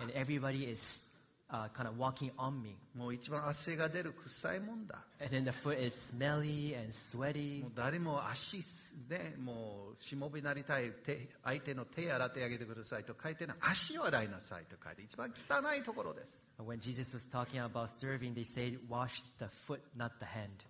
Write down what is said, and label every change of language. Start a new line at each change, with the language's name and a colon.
English: And everybody is kind of walking on me.
Japanese: もう一番汗が出る臭いもんだ。
English: And then the foot is smelly and sweaty.
Japanese: もう誰も足でもうしもべになりたい相手の手洗ってあげてくださいと書いてない、足を洗いなさいと書いて、一番汚いところです。
English: When Jesus was talking about serving, they said, wash the foot, not the hand.、